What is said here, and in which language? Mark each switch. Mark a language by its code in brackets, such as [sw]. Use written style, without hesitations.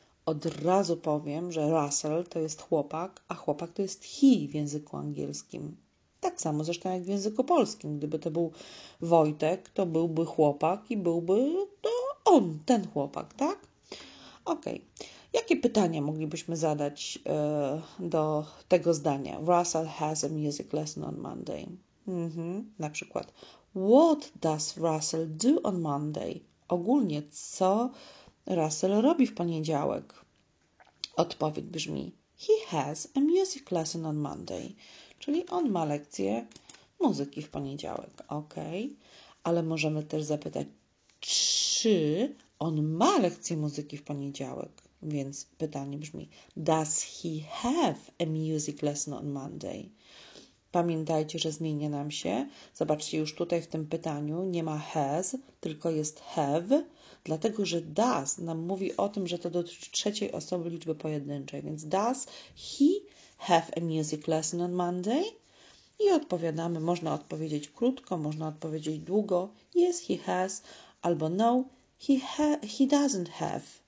[pl] Od razu powiem, że Russell to jest chłopak, a chłopak to jest he w języku angielskim. Tak samo zresztą jak w języku polskim. Gdyby to był Wojtek, to byłby chłopak i byłby to on, ten chłopak, tak? Okej. Okay. Jakie pytanie moglibyśmy zadać do tego zdania? [en] Russell has a music lesson on Monday. [pl] Na przykład, [en] what does Russell do on Monday? [pl] Ogólnie, co Russell robi w poniedziałek? Odpowiedź brzmi, [en] he has a music lesson on Monday. [pl] Czyli on ma lekcję muzyki w poniedziałek. Ok, ale możemy też zapytać, czy on ma lekcję muzyki w poniedziałek? Więc pytanie brzmi, [en] does he have a music lesson on Monday? [pl] Pamiętajcie, że zmienia nam się. Zobaczcie, już tutaj w tym pytaniu nie ma has, tylko jest have, dlatego że does nam mówi o tym, że to dotyczy trzeciej osoby liczby pojedynczej. [en] Więc does he have a music lesson on Monday? [pl] I odpowiadamy, można odpowiedzieć krótko, można odpowiedzieć długo, [en] yes, he has, [pl] albo [en] no, he doesn't have.